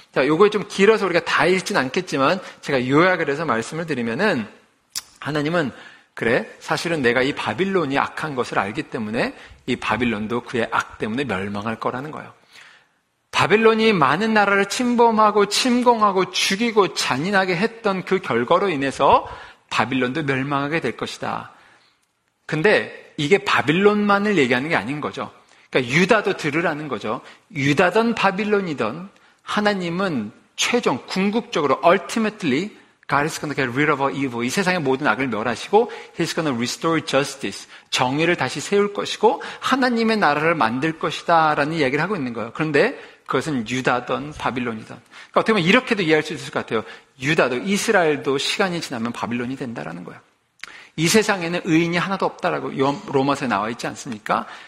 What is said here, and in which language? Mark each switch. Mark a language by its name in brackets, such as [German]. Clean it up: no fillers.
[Korean] 자, 요거 좀 길어서 우리가 다 읽진 않겠지만 제가 요약을 해서 말씀을 드리면은 하나님은 그래, 사실은 내가 이 바빌론이 악한 것을 알기 때문에 이 바빌론도 그의 악 때문에 멸망할 거라는 거예요. 바빌론이 많은 나라를 침범하고 침공하고 죽이고 잔인하게 했던 그 결과로 인해서 바빌론도 멸망하게 될 것이다. 근데 이게 바빌론만을 얘기하는 게 아닌 거죠. 그러니까 유다도 들으라는 거죠. 유다든 바빌론이든 하나님은 최종 궁극적으로 [English] ultimately God is going to get rid of our evil. [Korean] 이 세상의 모든 악을 멸하시고 [English] He's going to restore justice. [Korean] 정의를 다시 세울 것이고 하나님의 나라를 만들 것이다 라는 얘기를 하고 있는 거예요. 그런데 그것은 유다든 바빌론이든, 그러니까 어떻게 보면 이렇게도 이해할 수 있을 것 같아요. 유다도 이스라엘도 시간이 지나면 바빌론이 된다라는 거야. 이 세상에는 의인이 하나도 없다라고 로마서에 나와 있지 않습니까?